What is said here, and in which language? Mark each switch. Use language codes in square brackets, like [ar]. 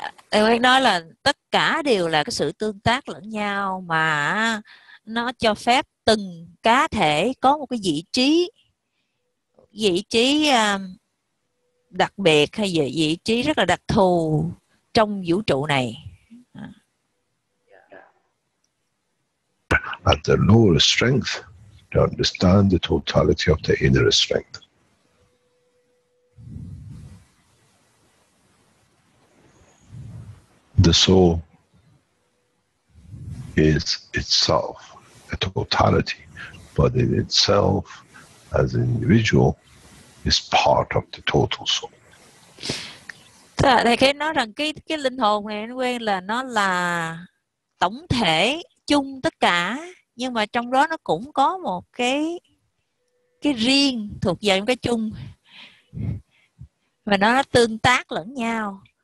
[vi] Anh Quen nói là tất cả đều là cái sự tương tác lẫn nhau, mà nó cho phép từng cá thể có một cái vị trí đặc biệt hay vị trí rất là đặc thù trong vũ trụ này. [en] At the lower strength, to understand the totality of the inner strength. The soul is itself a totality, but in itself, as an individual, is part of the total soul. [vi] Thầy Khế nói rằng cái linh hồn này anh Quen là nó là tổng thể chung tất cả, nhưng mà trong đó nó cũng có một cái riêng thuộc về cái chung, và nó tương tác lẫn nhau.